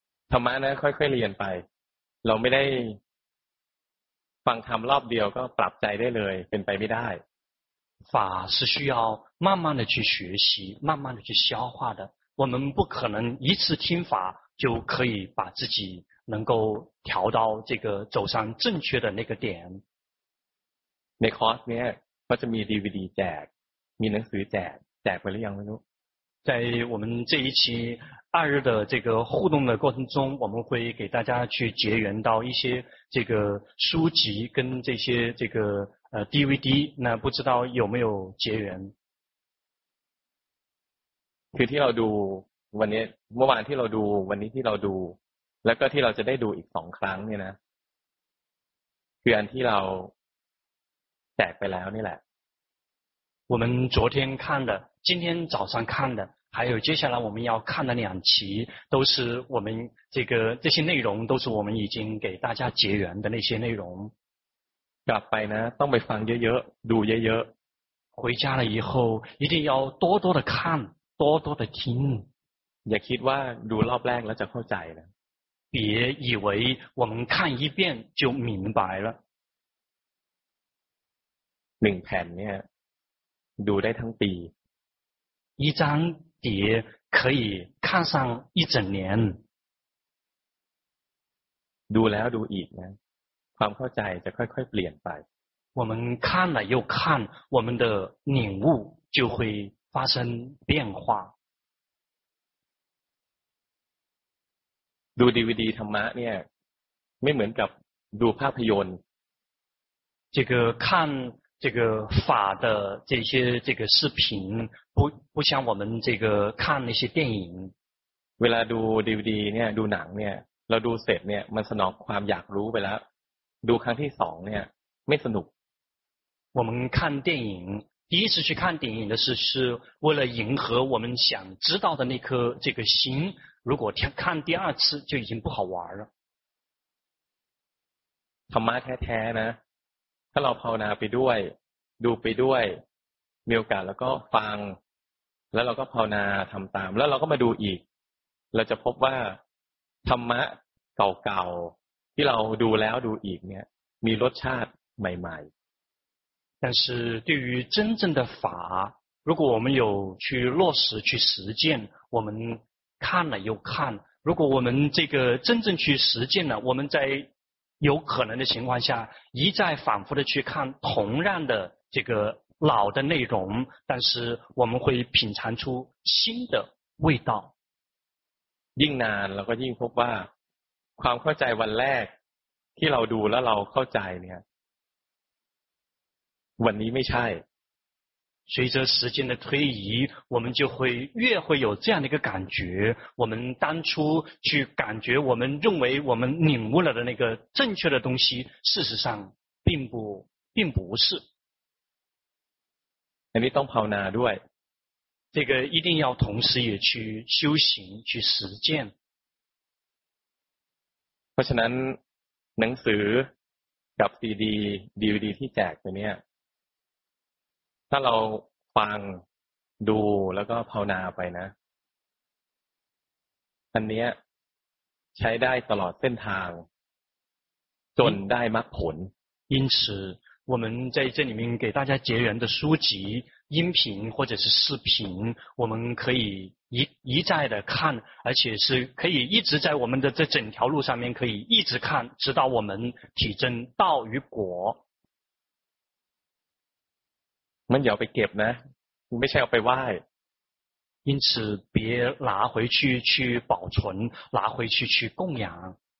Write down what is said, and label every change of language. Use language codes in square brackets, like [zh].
[th] ธรรมะนะค่อยๆเรียนไปเราไม่ได้ฟังธรรมรอบเดียวก็ปรับใจได้เลยเป็นไปไม่ได้ [zh] 法是需要慢慢的去学习慢慢的去消化的我们不可能一次听法就可以把自己能够调到这个走上正确的那个点 [th] ในคอร์สเนี้ยก็จะมี DVD แจกมีหนังสือแจกไปหรือยังไม่รู้ [zh] 在我们这一期二日的这个互动的过程中我们会给大家去结缘到一些这个书籍跟这些这个DVD 那不知道有没有结缘 [th] คือที่เราดูวันนี้เมื่อวานที่เราดูวันนี้ที่เราดูแล้วก็ที่เราจะได้ดูอีกสองครั้งเนี่ยนะคืออันที่เราแจกไปแล้วนี่แหละ [zh] 我们昨天看的今天早上看的还有接下来我们要看的两期都是我们这个这些内容都是我们已经给大家结缘的那些内容 [th] ไปนะต้องไปฟังเยอะๆดูเยอะ [zh] ๆ回家了以后一定要多多的看多多的听 [th] อย่าคิดว่าดูรอบแรกแล้วจะเข้าใจนะ [zh] 别以为我们看一遍就明白了 [th] 1แผ่นเนี่ยดูได้ทั้งปี [zh] 一张碟可以看上一整年 [th] ดูแล้วดูอีกนะความเข้าใจจะค่อยๆเปลี่ยนไป [zh] 我们看了又看我们的领悟就会发生变化 [th] ดู DVD ธรรมะเนี่ยไม่เหมือนกับดูภาพยนตร์ [zh] 这个看这个法的这些这个视频不像我们这个看那些电影 [th] เวลาดู DVD เนี่ยดูหนังเนี่ยเราดูเสร็จเนี่ยมันสนองความอยากรู้ไปแล้วดูครั้งที่สองเนี่ยไม่สนุก [zh] 我们看电影第一次去看电影的是为了迎合我们想知道的那颗这个心如果看第二次就已经不好玩了 [th] ธรรมะแท้ๆนะถ้าเราภาวนาไปด้วยดูไปด้วยมีโอกาสแล้วก็ฟังแล้วเราก็ภาวนาทำตามแล้วเราก็มาดูอีกเราจะพบว่าธรรมะเก่าๆที่เราดูแล้วดูอีกเนี่ยมีรสชาติใหม่ [zh] ๆ但是对于真正的法如果我们有去落实去实践我们看了又看如果我们这个真正去实践了我们在有可能的情况下一再反复的去看同样的这个老的内容但是我们会品尝出新的味道 [th] ยิ่งนานเราก็ยิ่งพบว่าความเข้าใจวันแรกที่เราดูแล้วเราเข้าใจเนี่ยวันนี้ไม่ใช่ [zh] 随着时间的推移我们就会越会有这样的一个感觉我们当初去感觉我们认为我们领悟了的那个正确的东西事实上并不是 [th] อันนี้ต้องภาวนาด้วย [zh] 这个一定要同时也去修行去实践 [th] เพราะฉะนั้นหนังสือกับซีดีดีวีดีที่แจกไปเนี่ยถ้าเราฟังดูแล้วก็ภาวนาไปนะอันเนี้ยใช้ได้ตลอดเส้นทางจนได้มรรคผล [zh] 因此我们在这里面给大家结缘的书籍音频或者是视频我们可以一再的看而且是可以一直在我们的这整条路上面可以一直看直到我们体证道与果 [th] มันอย่าไปเก็บนะไม่ใช่เอาไปไหว้ [zh] 因此别拿回去去保存，拿回去去供养。